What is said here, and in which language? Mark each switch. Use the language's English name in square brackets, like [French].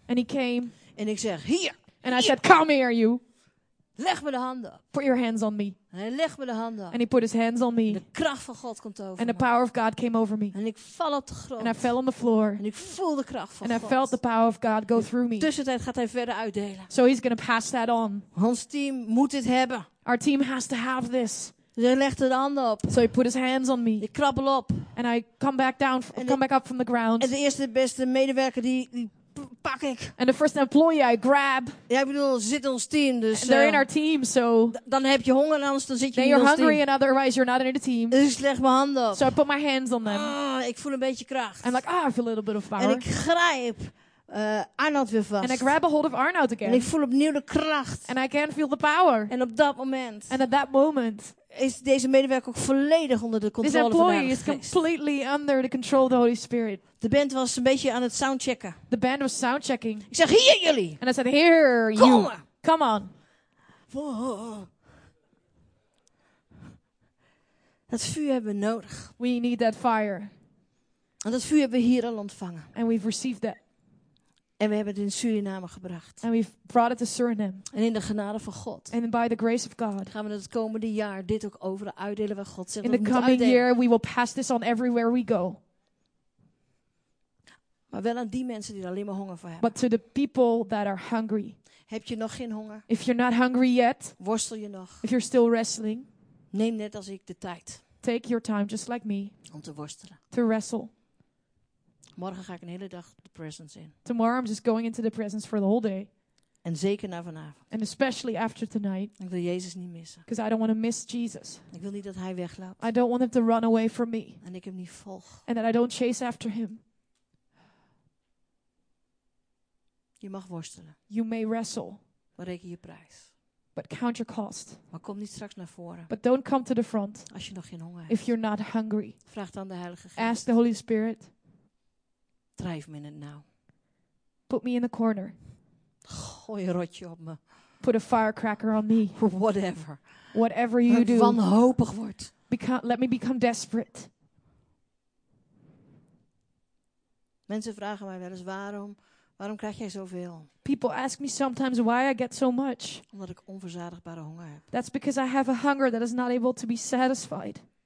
[English] And he came. [Dutch] En ik zeg, hier! [English] And I said, come here, you! [Dutch] Leg me de handen. [English] Put your hands on me. [Dutch] En hij legt me de handen. [English] And he put his hands on me. [Dutch] De kracht van God komt over me. [English] And the power of God came over me. [Dutch] En ik val op de grond. [English] And I fell on the floor. [Dutch] En ik voel de kracht van [English] And [Dutch] God. [English] And I felt the power of God go through me. [Dutch] Tussentijd gaat hij verder uitdelen. [English] So he's gonna pass that on. [Dutch] Ons team moet dit hebben. [English] Our team has to have this. [Dutch] Dus hij legt de handen op. [English] So he put his hands on me. [Dutch] Ik krabbel op. [English] And I come back down, come back up from the ground. [Dutch] En de eerste beste medewerker die pak ik. [English] And the first employee I grab. [Dutch] Ja, ik bedoel, ze zitten in ons team, dus. [English] And they're in our team, so. [Dutch] Dan heb je honger, anders dan zit je in ons [English] team. Then you're hungry, and otherwise you're not in the team. [Dutch] Dus ik leg mijn handen op. [English] So I put my hands on them. [Dutch] Ah, ik voel een beetje kracht. [English] I'm like, I feel a little bit of power. [Dutch] En ik grijp Arnoud weer vast. [English] And I grab a hold of Arnoud again. [Dutch] En ik voel opnieuw de kracht. [English] And I can feel the power. [Dutch] En op dat moment. [English] And at that moment. [Dutch] Is deze medewerker ook volledig onder de controle van de Heilige Geest. [English] This employee is completely under the control of the Holy Spirit. [Dutch] De band was een beetje aan het soundchecken. [English] The band was soundchecking. [Dutch] Ik zeg, hier jullie. [English] And I said, here [Dutch] Kom [English] you. [Dutch] Maar. [English] Come on. [Dutch] Dat vuur hebben we nodig. [English] We need that fire. [Dutch] En dat vuur hebben we hier al ontvangen. [English] And we've received that. [Dutch] En we hebben het in Suriname gebracht. [English] And we've brought it to Suriname. [Dutch] En in de genade van God. [English] And by the grace of God. [Dutch] Gaan we het komende jaar dit ook over uitdelen waar God zegt [English] in the coming year we will pass this on everywhere we go. [Dutch] Maar wel aan die mensen die er alleen maar honger voor hebben. [English] But to the people that are hungry. [Dutch] Heb je nog geen honger? [English] If you're not hungry yet. [Dutch] Worstel je nog? [English] If you're still wrestling. [Dutch] Neem net als ik de tijd. [English] Take your time just like me. [Dutch] Om te worstelen. [English] To wrestle. [Dutch] Morgen ga ik een hele dag de presence in. [English] Tomorrow I'm just going into the presence for the whole day. [Dutch] En zeker na vanavond. [English] And especially after tonight. [Dutch] Ik wil Jezus niet missen. [English] Because I don't want to miss Jesus. [Dutch] Ik wil niet dat hij wegloopt. [English] I don't want him to run away from me. [Dutch] En ik hem niet volg. [English] And that I don't chase after him. [Dutch] Je mag worstelen. [English] You may wrestle. [Dutch] Maar reken je prijs. [English] But count your cost. [Dutch] Maar kom niet straks naar voren. [English] But don't come to the front. [Dutch] Als je nog geen honger hebt. [English] If you're not hungry. [Dutch] Vraag dan de Heilige Geest. [English] Ask the Holy Spirit. [Dutch] Drijf me in het nou. [English] Put me in the corner. [Dutch] Gooi een rotje op me. [English] Put a firecracker on me. Whatever. Whatever you do. [Dutch] Wanhopig word. [English] Let me become desperate. [Dutch] Mensen vragen mij wel eens waarom. Waarom krijg jij zoveel? [English] People ask me sometimes why I get so much. [Dutch] Omdat ik onverzadigbare honger heb. [English] That's because I have a hunger that is not able to be satisfied.